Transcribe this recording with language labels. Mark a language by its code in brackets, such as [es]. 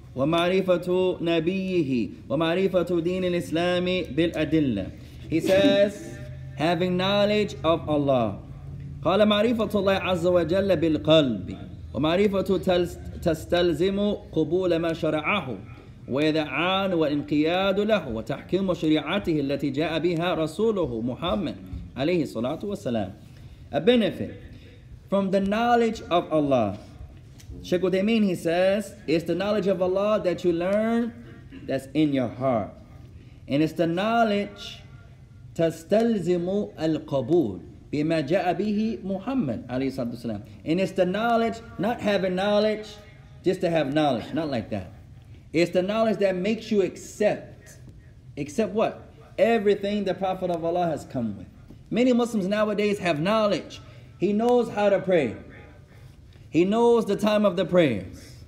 [ar] ومعرفة نبيه ومعرفة دين الإسلام بالأدلة. [en] He says, having knowledge of Allah. [ar] قال معرفة الله عز وجل بالقلب ومعرفة تستلزم قبول ما شرعه ويذعان والانقياد له وتحكيم شريعته التي جاء بها رسوله محمد عليه الصلاة والسلام. [en] A benefit from the knowledge of Allah. Sheikh Uthaymeen, he says, it's the knowledge of Allah that you learn that's in your heart. And it's the knowledge [ar] تَسْتَلْزِمُ الْقَبُولِ بِمَا جَاءَ بِهِ مُحَمَّدٍ عَلَيْهِ الصَّلَاةُ وَالسَّلَامُ. [en] And it's the knowledge, not having knowledge, just to have knowledge, not like that. It's the knowledge that makes you accept Except what? Everything the Prophet of Allah has come with. Many Muslims nowadays have knowledge. He knows how to pray. He knows the time of the prayers.